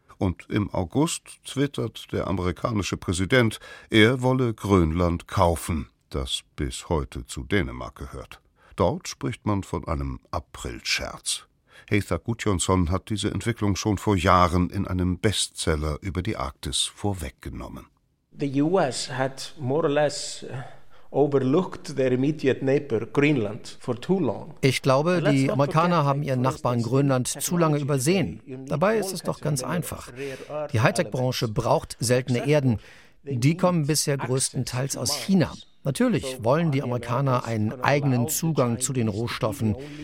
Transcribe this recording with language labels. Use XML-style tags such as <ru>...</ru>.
<de>Und im August twittert der amerikanische Präsident, er wolle Grönland kaufen, das bis heute zu Dänemark gehört. Dort spricht man von einem April-Scherz. Heiðar Guðjónsson hat diese Entwicklung schon vor Jahren in einem Bestseller über die Arktis vorweggenommen.</de> <en>The US had more or less overlooked their immediate neighbor Greenland for too long.</en> <de>Ich glaube, die Amerikaner haben ihren Nachbarn Grönland zu lange übersehen. Dabei ist es doch ganz einfach. Die Hightech-Branche braucht seltene Erden. Die kommen bisher größtenteils aus China. Natürlich wollen die Amerikaner einen eigenen Zugang zu den Rohstoffen.</de>